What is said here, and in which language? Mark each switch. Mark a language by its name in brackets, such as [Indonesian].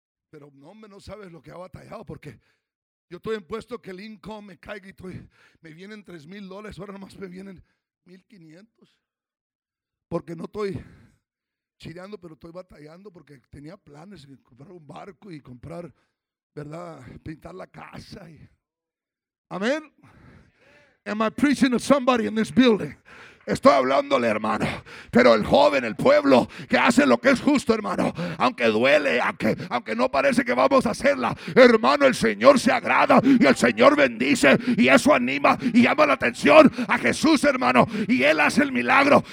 [Spanish] Pero hombre, no sabes lo que ha batallado, porque yo estoy impuesto que el income me caiga y estoy, me vienen $3,000, ahora nomás me vienen 1,500. Porque no estoy chiriando, pero estoy batallando porque tenía planes de comprar un barco y comprar, ¿verdad?, pintar la casa. Y... ¿Amén? [English] Am I preaching to somebody in this building? [Spanish] Estoy hablándole, hermano, pero el joven, el pueblo, que hace lo que es justo, hermano, aunque duele, aunque no parece que vamos a hacerla, hermano, el Señor se agrada y el Señor bendice y eso anima y llama la atención a Jesús, hermano, y Él hace el milagro.